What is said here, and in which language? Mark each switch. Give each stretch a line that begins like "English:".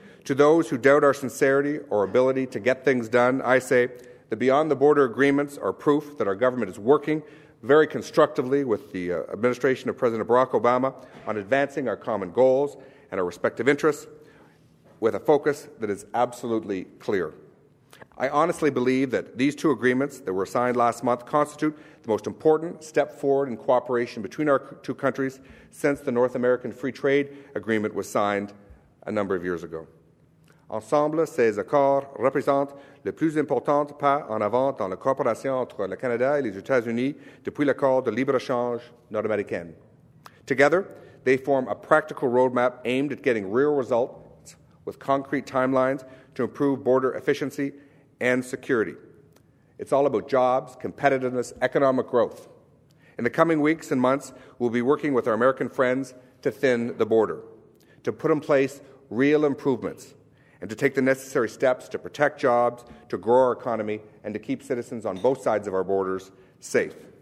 English: To those who doubt our sincerity or ability to get things done, I say the Beyond the Border agreements are proof that our government is working very constructively with the administration of President Barack Obama on advancing our common goals and our respective interests with a focus that is absolutely clear. I honestly believe that these two agreements that were signed last month constitute the most important step forward in cooperation between our two countries since the North American Free Trade Agreement was signed a number of years ago.
French: Ensemble, ces accords représentent le plus important pas en avant dans la coopération entre le Canada et les États-Unis depuis l'accord de libre-échange nord-américain.
English: Together, they form a practical roadmap aimed at getting real results with concrete timelines to improve border efficiency and security. It's all about jobs, competitiveness, economic growth. In the coming weeks and months, we'll be working with our American friends to thin the border, to put in place real improvements, and to take the necessary steps to protect jobs, to grow our economy, and to keep citizens on both sides of our borders safe.